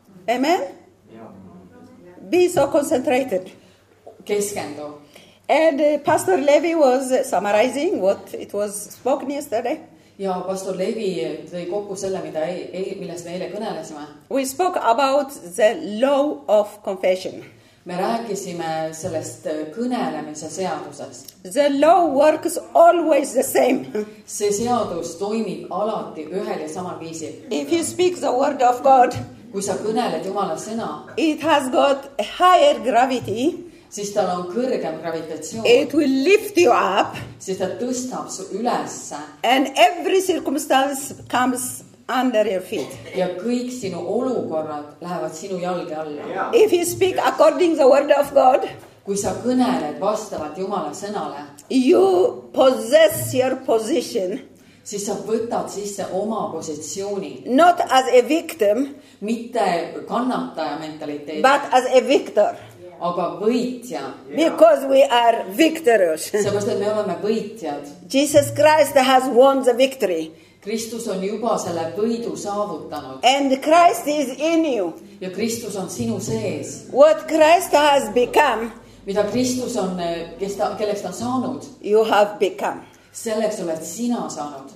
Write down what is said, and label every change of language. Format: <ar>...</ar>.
<en>Amen? Be so concentrated.</en> <et>Keskendu.</et> <en>And Pastor Levi was summarizing what it was spoken yesterday.</en> <et>Ja Pastor Levi tõi kokku selle, mida millest me eile kõnelesime.</et> <en>We spoke about the law of confession.</en> <et>Me rääkisime sellest kõnelemise seaduses.</et> <en>The law works always the same.</en> <et>See seadus toimib alati ühel ja samal viisil.</et> <en>If you speak the word of God,</en> <et>kui sa kõneled Jumala sõna,</et> <en>it has got higher gravity.</en> <et>Siis tal on kõrgem gravitatsioon.</et> <en>It will lift you up.</en> <et>Siis ta tõstab su ülesse.</et> <en>And every circumstance comes under your feet.</en> <et>Ja kõik sinu olukorrad lähevad sinu jalge alla.</et> <en>If you speak according the word of God.</en> <et>Kui sa kõneled vastavalt Jumala sõnale.</et> <en>You possess your position.</en> <et>Siis sa võtad sisse oma positsiooni.</et> <en>Not as a victim.</en> <et>Mitte kannataja mentaliteet.</et> <en>But as a victor.</en> <et>Aga võitja.</et> <en>Because we are victorious.</en> <et>Sest me oleme võitjad.</et> <en>Jesus Christ has won the victory.</en> <et>Kristus on juba selle võidu saavutanud.</et> <en>And Christ is in you.</en> <et>Ja Kristus on sinu sees.</et> <en>What Christ has become.</en> <et>mida Kristus on, kes ta, kelleks ta saanud.</et> <en>You have become.</en> <et>Selleks oled sina saanud.</et>